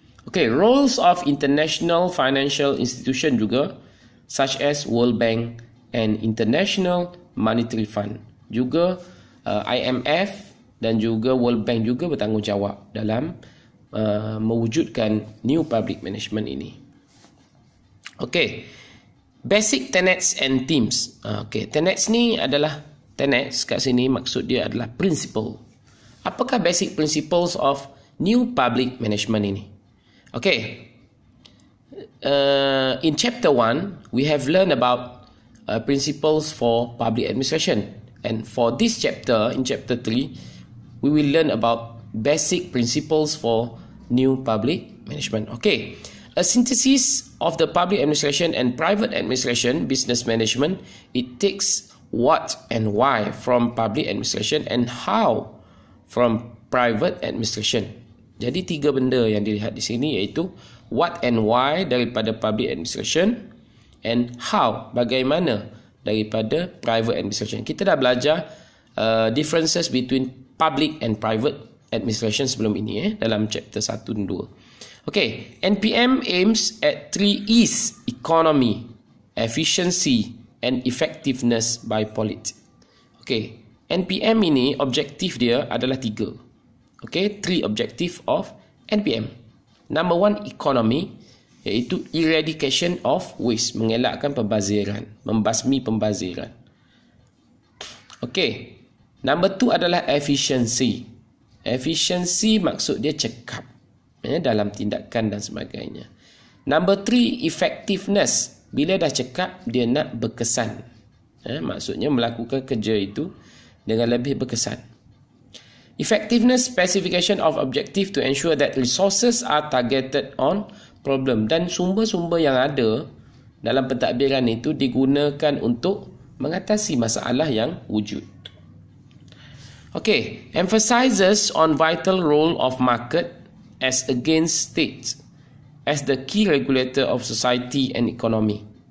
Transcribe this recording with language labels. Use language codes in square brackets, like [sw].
[en] Okay, roles of international financial institution [ms] juga, [en] such as World Bank and International Monetary Fund. [ms] Juga IMF dan juga World Bank juga bertanggungjawab dalam mewujudkan new public management ini. [en] Okay, basic tenets and themes. [ms] Okay, tenets ni adalah tenets kat sini, maksud dia adalah principle. Apakah [en] basic principles of new public management [ms] ini? [en] Okay, in chapter 1, we have learned about principles for public administration. And for this chapter, in chapter 3, we will learn about basic principles for new public management. Okay, a synthesis of the public administration and private administration business management, it takes what and why from public administration and how from private administration. Jadi tiga benda yang dilihat di sini iaitu what and why daripada public administration and how, bagaimana daripada private administration. [ms] Kita dah belajar [en] differences between public and private administration [ms] sebelum ini dalam chapter 1 dan 2. [en] Okay, NPM aims at 3 E's: economy, efficiency and effectiveness by policy. [ms] Okay, NPM ini objektif dia adalah 3. [en] Okay, 3 objective of NPM. Number 1, economy, [ms] iaitu [en] eradication of waste, [ms] mengelakkan pembaziran, membasmi pembaziran. Okay, number 2 adalah efficiency. Efficiency maksud dia cekap dalam tindakan dan sebagainya. [en] Number 3, effectiveness. [ms] Bila dah cekap, dia nak berkesan. Maksudnya melakukan kerja itu dengan lebih berkesan. [en] Effectiveness, specification of objective to ensure that resources are targeted on problem. [ms] Dan sumber-sumber yang ada dalam pentadbiran itu digunakan untuk mengatasi masalah yang wujud. [en] Okay, emphasizes on vital role of market as against state, as the key regulator of society and economy.